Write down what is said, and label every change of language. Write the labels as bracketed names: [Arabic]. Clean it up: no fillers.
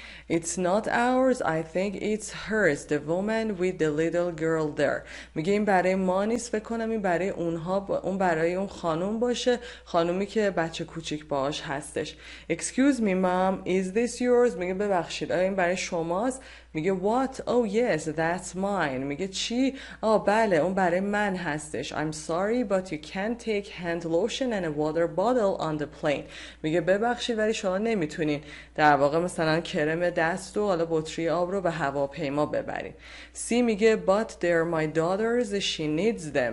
[English] It's not ours, I think it's hers, the woman with the little girl there. [Persian] میگه این برای ما نیست، فکر کنم این برای اونها، اون برای اون خانم باشه، خانومی که بچه کوچیک باش هستش. [English] Excuse me, mom, is this yours؟ [Persian] میگه ببخشید، آیا این برای شماست؟ میگه [English] what؟ Oh yes, that's mine. [Persian] میگه چی؟ آه بله، اون برای من هستش. [English] I'm sorry, but you can't take hand lotion and a water bottle on the plane. [Persian] میگه ببخشید ولی شما نمیتونین در واقع مثلا کرم دست و حالا بطری آب رو به هواپیما ببرین. سی میگه [English] but they're my daughters, she needs them.